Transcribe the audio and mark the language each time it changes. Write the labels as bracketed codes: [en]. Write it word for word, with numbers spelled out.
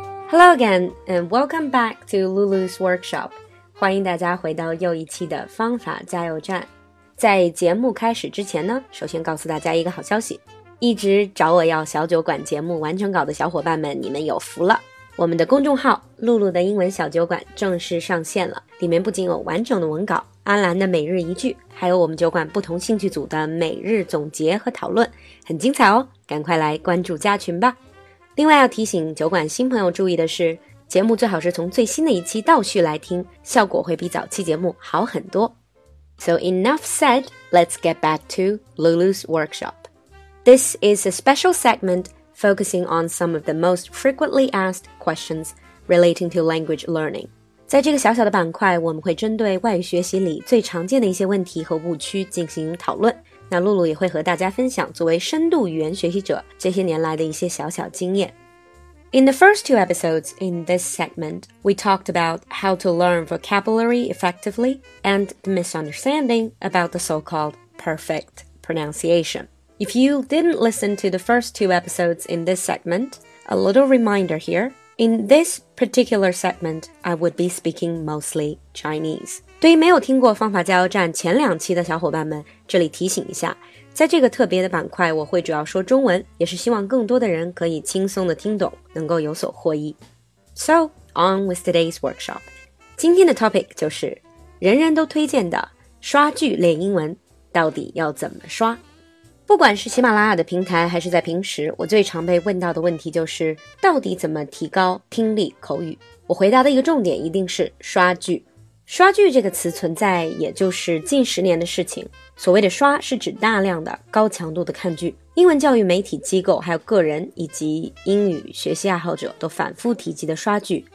[en] Hello again, and welcome back to Lulu's Workshop. [zh] 欢迎大家回到又一期的方法加油站。在节目开始之前呢，首先告诉大家一个好消息，一直找我要小酒馆节目完成稿的小伙伴们，你们有福了。我们的公众号露露的英文小酒馆正式上线了，里面不仅有完整的文稿，安澜的每日一句，还有我们酒馆不同兴趣组的每日总结和讨论，很精彩哦，赶快来关注加群吧。另外要提醒酒馆新朋友注意的是，节目最好是从最新的一期倒序来听，效果会比早期节目好很多。 [en] So enough said, let's get back to Lulu's Workshop. This is a special segment focusing on some of the most frequently asked questions relating to language learning. [zh] 在这个小小的板块，我们会针对外语学习里最常见的一些问题和误区进行讨论。那露露也会和大家分享作为深度语言学习者这些年来的一些小小经验。 [en] In the first two episodes in this segment, we talked about how to learn vocabulary effectively and the misunderstanding about the so-called perfect pronunciation. If you didn't listen to the first two episodes in this segment, a little reminder here. In this particular segment, I would be speaking mostly Chinese. [zh] 对于没有听过方法加油站前两期的小伙伴们，这里提醒一下，在这个特别的板块，我会主要说中文，也是希望更多的人可以轻松的听懂，能够有所获益。 [en] So, on with today's workshop. [zh] 今天的 topic 就是人人都推荐的刷剧练英文，到底要怎么刷？不管是喜马拉雅的平台还是在平时，我最常被问到的问题就是到底怎么提高听力口语。我回答的一个重点一定是刷剧。刷剧这个词存在也就是近十年的事情，所谓的刷是指大量的高强度的看剧，英文教育媒体机构还有个人以及英语学习爱好者都反复提及的刷剧。